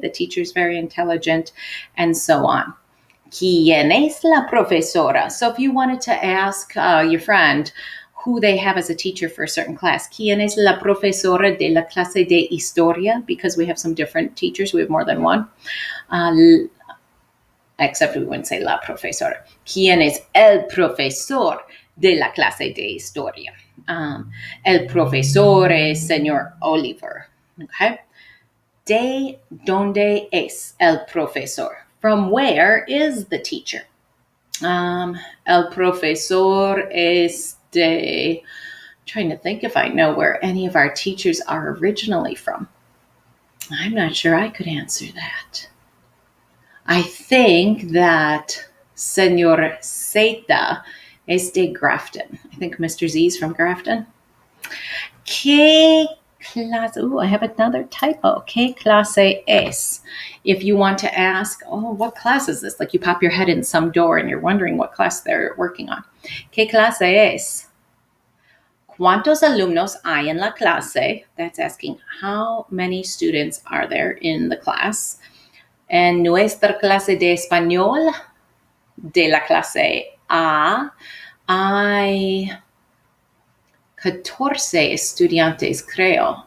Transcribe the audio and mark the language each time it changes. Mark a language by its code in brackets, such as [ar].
[en] The teacher is very intelligent, and so on. [es] ¿Quién es la profesora? [en] So if you wanted to ask your friend who they have as a teacher for a certain class, [es] ¿Quién es la profesora de la clase de historia? [en] Because we have some different teachers. We have more than one. Except we wouldn't say la profesora. [es] ¿Quién es el profesor de la clase de historia? El profesor es señor Oliver. Okay. ¿De dónde es el profesor? [en] From where is the teacher? [es] El profesor es de. [en] I'm trying to think if I know where any of our teachers are originally from. I'm not sure I could answer that. I think that Senor Zeta is de Grafton. I think Mr. Z is from Grafton. [es] ¿Qué clase? [en] Ooh, I have another typo. [es] ¿Qué clase es? [en] If you want to ask, oh, what class is this? Like you pop your head in some door and you're wondering what class they're working on. [es] ¿Qué clase es? ¿Cuántos alumnos hay en la clase? [en] That's asking how many students are there in the class. [es] En nuestra clase de español, de la clase A, hay 14 estudiantes, creo.